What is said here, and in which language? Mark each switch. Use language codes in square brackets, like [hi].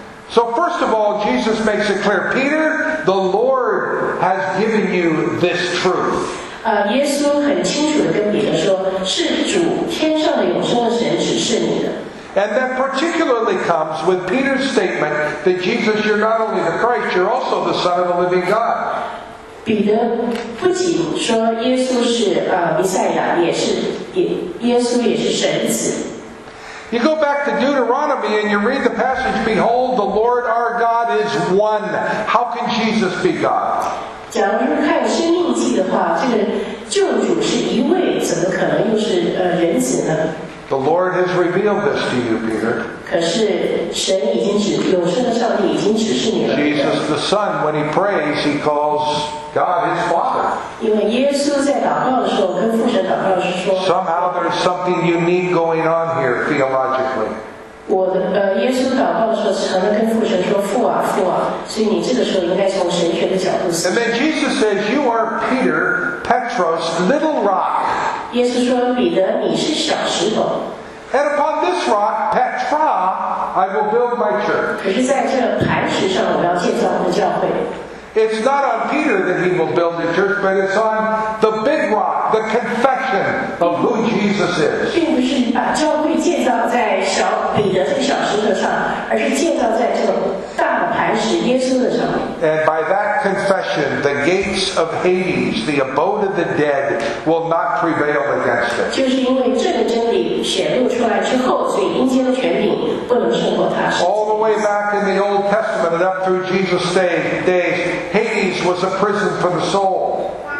[en] So first of all, Jesus makes it clear, Peter, the Lord has given you this truth. [zh] 耶稣很清楚地跟彼得说，是主天上的永生的神指示你的。 [en] And that particularly comes with Peter's statement that Jesus, you're not only the Christ, you're also the Son of the living God. [zh] 彼得不仅说耶稣是弥赛亚，耶稣也是神子。 [en] You go back to Deuteronomy and you read the passage, Behold, the Lord our God is one. How can Jesus be God? [zh] 假如看《生命记》的话，这个救主是一位，怎么可能又是人子呢？ [en] The Lord has revealed this to you, Peter. [zh] 可是神已经指永生的上帝已经指示你了。 [en] Jesus the Son, when he prays, he calls God his Father. [zh] 因为耶稣在祷告的时候跟父神祷告的时候说。 [en] Somehow there's something unique going on here theologically. [zh] 耶稣祷告的时候常常跟父神说父啊父啊，所以你这个时候应该从神学的角度思。 [en] And then Jesus says, "You are Peter, Petros, little rock." [zh] 耶稣说彼得你是小石头。 [en] And upon this rock, Petra, I will build my church. [zh] 可是在这磐石上，我要建造我的教会。 [en] It's not on Peter that he will build the church, but it's on the big rock, the confession of who Jesus is. [zh] 并不是把教会建造在小彼得这个小石头上，而是建造在这个大磐石耶稣的上面。 [en] And by that confession, the gates of Hades, the abode of the dead, will not prevail against it. [zh] 就是因为这个真理显露出来之后，所以阴间的权柄不能胜过他。 [en] All the way back in the Old Testament and up through Jesus' days. Hades was a prison for the soul.